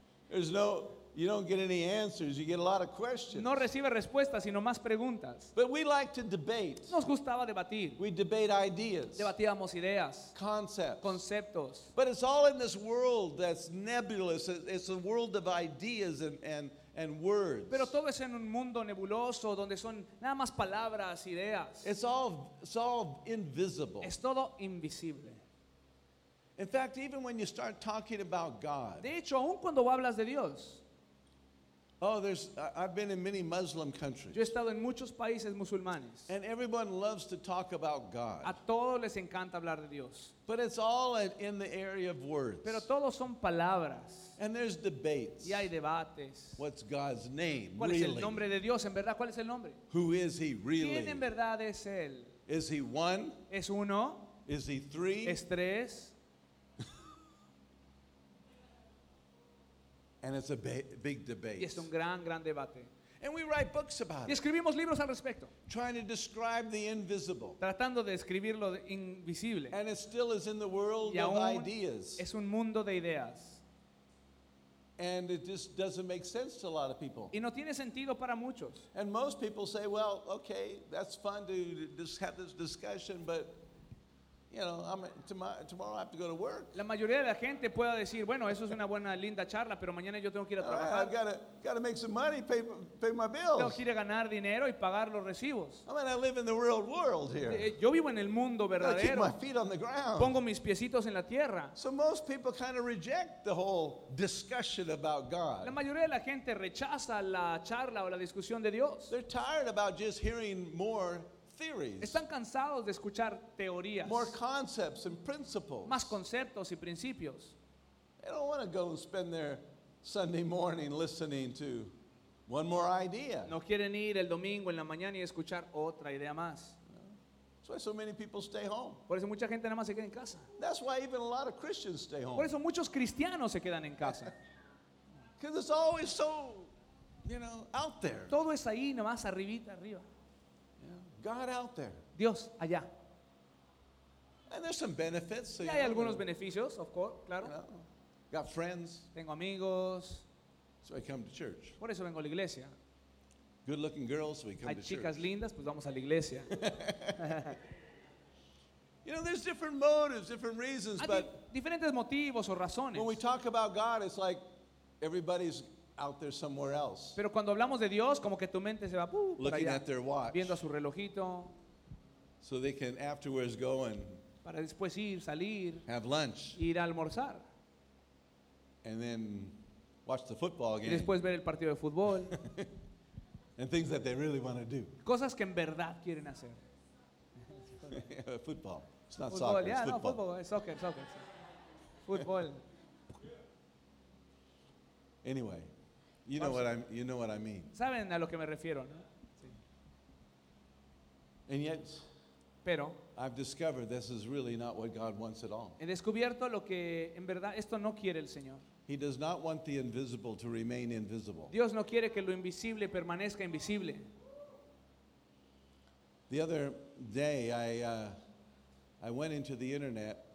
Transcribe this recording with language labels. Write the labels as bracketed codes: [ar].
[en] There's no, you don't get any answers. You get a lot of questions. [es] No recibe respuestas, sino más preguntas. [en] But we like to debate. [es] Nos gustaba debatir. [en] We debate ideas. [es] Debatíamos ideas. [en] Concepts. [es] Conceptos. [en] But it's all in this world that's nebulous. It's a world of ideas and words. [es] Pero todo es en un mundo nebuloso donde son nada más palabras, ideas. [en] It's all invisible. [es] Es todo invisible. [en] In fact, even when you start talking about God, [es] de hecho, aun cuando hablas de Dios, [en] I've been in many Muslim countries. [es] Yo he estado en muchos países musulmanes. [en] And everyone loves to talk about God. [es] A todos les encanta hablar de Dios. [en] But it's all in the area of words. [es] Pero todos son palabras. [en] And there's debates. [es] Y hay debates. [en] What's God's name, [es] ¿cuál [en] really? [es] ¿Cuál es el nombre de Dios, en verdad? ¿Cuál es el nombre? [en] Who is he, really? [es] ¿Quién en verdad es él? [en] Is he one? [es] ¿Es uno? [en] Is he three? [es] ¿Es tres? [en] And it's a big debate. [es] Y es un gran debate. [en] And we write books about it. [es] Y escribimos libros al respecto. [en] Trying to describe the invisible. [es] Tratando de describir lo invisible. [en] And it still is in the world of ideas. [es] Es un mundo de ideas. [en] And it just doesn't make sense to a lot of people. [es] Y no tiene sentido para muchos. [en] And most people say, well, okay, that's fun to just have this discussion, but you know, tomorrow I have to go to work. [es] La mayoría de la gente pueda decir, bueno, eso es una buena linda charla, pero mañana yo tengo que ir a trabajar. [en] I've got to make some money, pay my bills. [es] Tengo que ir a ganar dinero y pagar los recibos. [en] I mean, I live in the real world here. [es] Yo vivo en el mundo verdadero. [en] I keep my feet on the ground. [es] Pongo mis piecitos en la tierra. [en] So most people kind of reject the whole discussion about God. [es] La mayoría de la gente rechaza la charla o la discusión de Dios. [en] They're tired about just hearing more. [es] Están cansados de escuchar teorías. [en] More concepts and principles. [es] Más conceptos y principios. [en] They don't want to go and spend their Sunday morning listening to one more idea. [es] No quieren ir el domingo en la mañana y escuchar otra idea más. [en] That's why so many people stay home. [es] Por eso mucha gente nada más se queda en casa. [en] That's why even a lot of Christians stay home. [es] Por eso muchos cristianos se quedan en casa. [en] Because it's always so, you know, out there. [es] Todo es ahí, nada más arribita, arriba. [en] God out there. [es] Dios allá. [en] And there's some benefits. So [es] y hay algunos beneficios, [en] of course, [es] claro. [en] You know, got friends. [es] Tengo amigos. [en] So I come to church. [es] Por eso vengo a la iglesia. [en] Good looking girls, so we come [es] hay [en] to church. [es] Hay chicas lindas, pues vamos a la iglesia. [en] You know, there's different motives, different reasons, but [es] diferentes motivos o razones. [en] When we talk about God, it's like everybody's out there somewhere else. [es] Pero cuando hablamos de Dios, como que tu mente se va, [en] looking at their watch, [es] viendo a su relojito, [en] so they can afterwards go and [es] para después ir, salir, [en] have lunch, [es] ir a almorzar, [en] and then watch the football game. [es] Y después ver el partido de fútbol. [en] And things that they really want to do. [es] Cosas que en verdad quieren hacer. [en] Football. It's not football. Soccer. Yeah, it's football. No, football. It's soccer. Soccer. Football. Anyway, you know what I'm. You know what I mean. [es] Saben a lo que me refiero, ¿no? Sí. [en] And yet. [es] Pero. [en] I've discovered this is really not what God wants at all. [es] He descubierto lo que en verdad esto no quiere el Señor. [en] He does not want the invisible to remain invisible. [es] Dios no quiere que lo invisible permanezca invisible. [en] The other day I went into the internet.